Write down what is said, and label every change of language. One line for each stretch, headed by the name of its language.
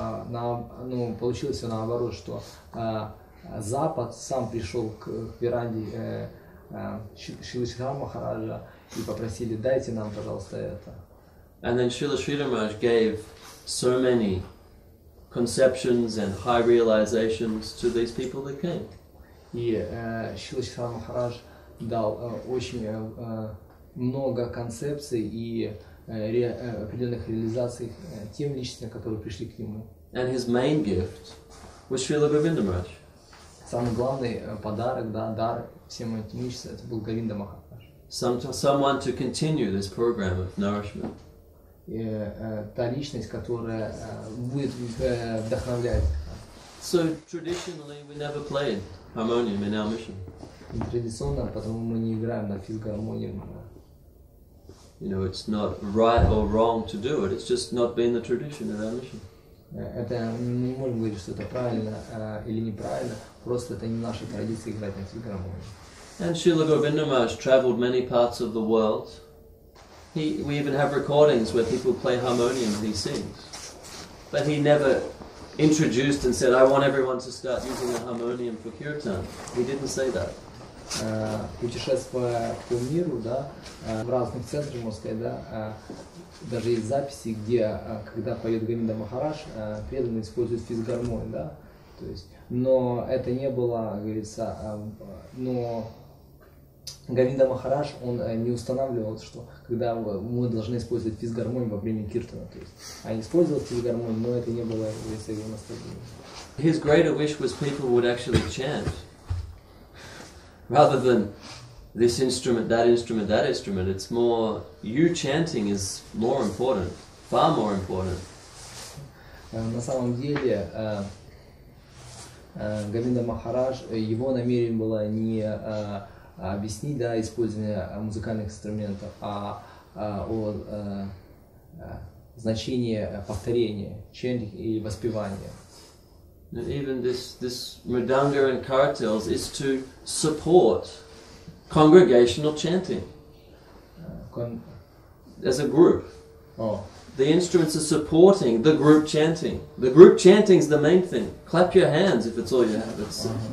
Russian: Но получилось все наоборот, что Запад сам пришел к веранде Шрила Сидхара Махараджа и попросили: дайте нам, пожалуйста, это.
English: And then Srila Sridhar Maharaj gave so many conceptions and high realizations to these people that came.
Russian: И Шрила Сидхара Махарадж дал очень много концепций и определенных реализаций тем личностям, которые пришли к нему.
English: And his main gift was Srila Govinda Maharaj.
Russian: Самый главный подарок, да, дар всем этим личностям, это был Говинда Махарадж.
English: Someone to continue this program of nourishment.
Russian: Та личность, которая будет вдохновлять.
English: So traditionally we never played harmonium in our mission.
Russian: Традиционно, потому мы не играем на физгармонии.
English: You know, it's not right or wrong to do it. It's just not been the tradition of our mission.
Russian: Это не можем говорить, что это правильно или неправильно. Просто это не наша традиция играть на физгармонии.
English: And Srila Govinda Maharaj traveled many parts of the world. We even have recordings where people play harmonium and he sings. But he never introduced and said, "I want everyone to start using a harmonium for kirtan." He didn't say that.
Russian: Путешествуя по миру, да, в разных центрах, можно сказать, да, даже есть записи, где, когда поет Говинда Махарадж, преданные используют физгармонию, да, то есть, но это не было, говорится, но Говинда Махарадж, он не устанавливал, что когда мы должны использовать физгармонию во время киртана, то есть, а использовал физгармонию, но это не было, говорится, его наставление.
English: His greater wish was people would actually chant. Rather than this instrument, that instrument, that instrument, it's more you chanting is more important, far more important.
Russian: На самом деле, Говинда Махарадж, его намерение было не объяснить, да, использование музыкальных инструментов, а о значении повторения, chanting и воспевания.
English: And even this mridanga and karatels is to support congregational chanting as a group. Oh. The instruments are supporting the group chanting. The group chanting is the main thing. Clap your hands if it's all you have. It's,